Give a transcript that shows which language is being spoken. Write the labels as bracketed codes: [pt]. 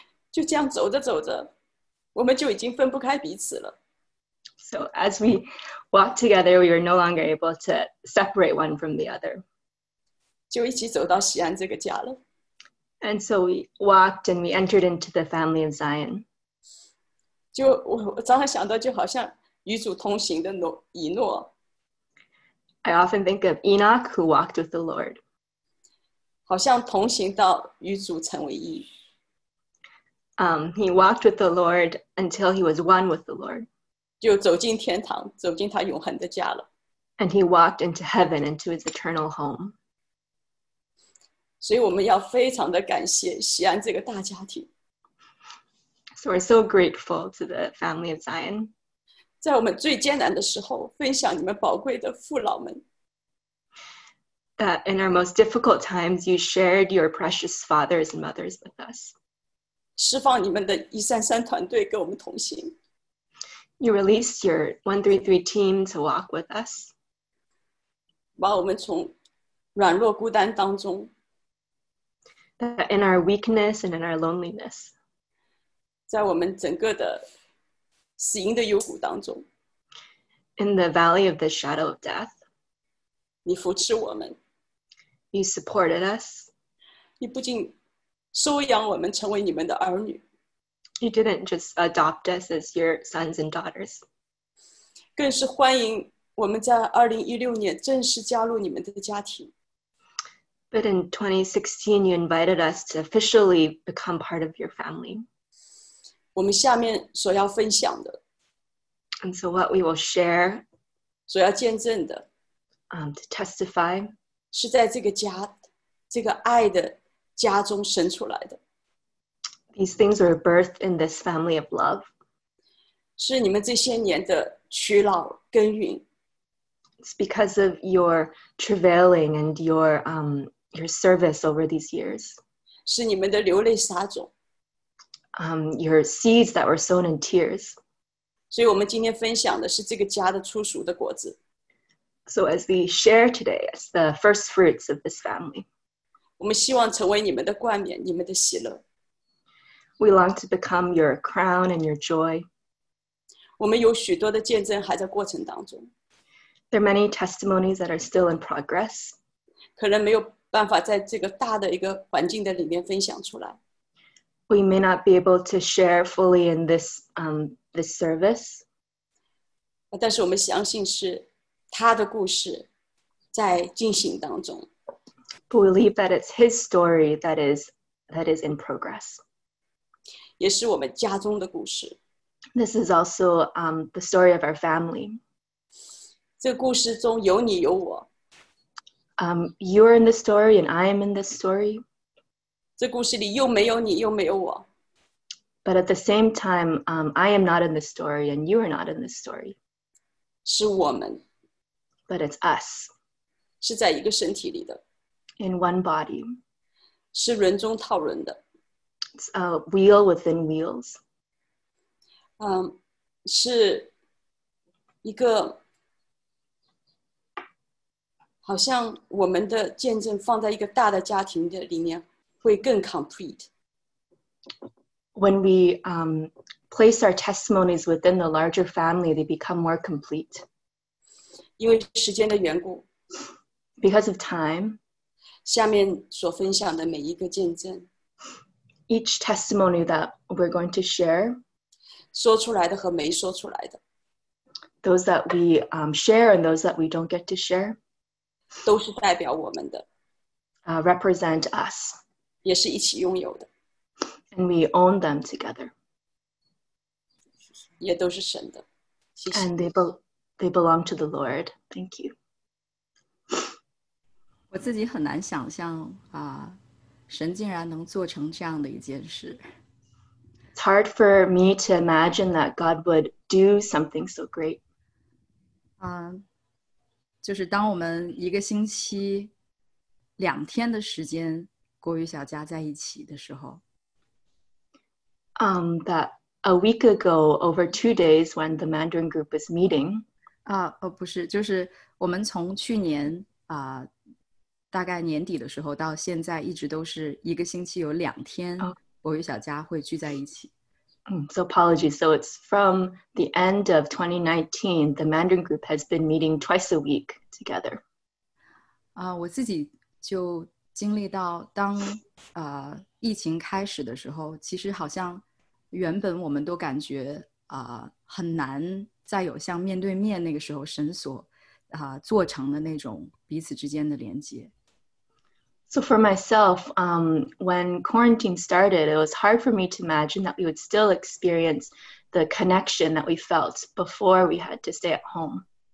[zh] 就这样走着走着，我们就已经分不开彼此了。 [en] So as we walk together, we were no longer able to separate one from the other. [zh] 就一起走到锡安这个家了。 [en] And so we walked and we entered into the family of Zion. [zh] 就我常常想到就好像与主同行的以诺。 [en] I often think of Enoch who walked with the Lord. [zh] 好像同行到与主成为一。 [en] He walked with the Lord until he was one with the Lord. [zh] 就走进天堂，走进他永恒的家了。 [en] And he walked into heaven, into his eternal home. [zh] 所以我们要非常的感谢锡安这个大家庭。 [en] So we're so grateful to the family of Zion. [zh] 在我们最艰难的时候，分享你们宝贵的父老们。 [en] That in our most difficult times, you shared your precious fathers and mothers with us. [zh] 释放你们的133团队跟我们同行。 [en] You released your 133 team to walk with us. [zh] 把我们从软弱孤单当中。 [en] That in our weakness and in our loneliness. [zh] 在我们整个的死荫的幽谷当中。 [en] In the valley of the shadow of death. [zh] 你扶持我们。 [en] You supported us. [zh] 你不仅收养我们成为你们的儿女。 [en] You didn't just adopt us as your sons and daughters. [zh] 更是欢迎我们在2016年正式加入你们的家庭。 [en] But in 2016, you invited us to officially become part of your family. [zh] 我们下面所要分享的。 [en] And so what we will share. [zh] 所要见证的。 [en] To testify. [zh] 是在这个家，这个爱的家中生出来的。 [en] These things were birthed in this family of love. [zh] 是你们这些年的屈劳耕耘。 [en] It's because of your travailing and your service over these years. [zh] 是你们的流泪撒种。 [en] Your seeds that were sown in tears. [zh] 所以我们今天分享的是这个家的初熟的果子。 [en] So as we share today, as the first fruits of this family. [zh] 我们希望成为你们的冠冕，你们的喜乐。 [en] We long to become your crown and your joy. [zh] 我们有许多的见证还在过程当中。 [en] There are many testimonies that are still in progress. [zh] 可能没有办法在这个大的一个环境的里面分享出来。 [en] We may not be able to share fully in this service. [zh] 但是我们相信是他的故事在进行当中。 [en] We believe that it's his story that is in progress. [zh] 也是我们家中的故事。 [en] This is also the story of our family. [zh] 这故事中有你有我。 [en] You are in the story and I am in this story. [zh] 这故事里又没有你又没有我。 [en] But at the same time, I am not in this story and you are not in this story. [zh] 是我们。 [en] But it's us. [zh] 是在一个身体里的。 [en] In one body. [zh] 是人中套人的。 [en] It's a wheel within wheels. [zh] 是一个好像我们的见证放在一个大的家庭的里面会更 complete. [en] When we place our testimonies within the larger family, they become more complete. [zh] 因为时间的缘故。 [en] Because of time. [zh] 下面所分享的每一个见证。 [en] Each testimony that we're going to share, [zh] 说出来的和没说出来的, [en] those that we share and those that we don't get to share, [zh] 都是代表我们的, [en] represent us, [zh] 也是一起拥有的, [en] and we own them together, [zh] 也都是神的, 谢谢。 [en] And they belong to the Lord. Thank you. [zh] 我自己很难想象啊。神竟然能做成这样的一件事。 [en] It's hard for me to imagine that God would do something so great. [zh] 就是当我们一个星期两天的时间过与小家在一起的时候。 [en] That a week ago, over 2 days, when the Mandarin group was meeting. [zh] 不是，就是我们从去年大概年底的时候到现在一直都是一个星期有两天我与小家会聚在一起。 [en] So apologies. So it's from the end of 2019, the Mandarin group has been meeting twice a week together. [zh] 我自己就经历到当疫情开始的时候，其实好像原本我们都感觉很难再有像面对面那个时候绳索做成的那种彼此之间的连接。 [en] So for myself, when quarantine started, it was hard for me to imagine that we would still experience the connection that we felt before we had to stay at home.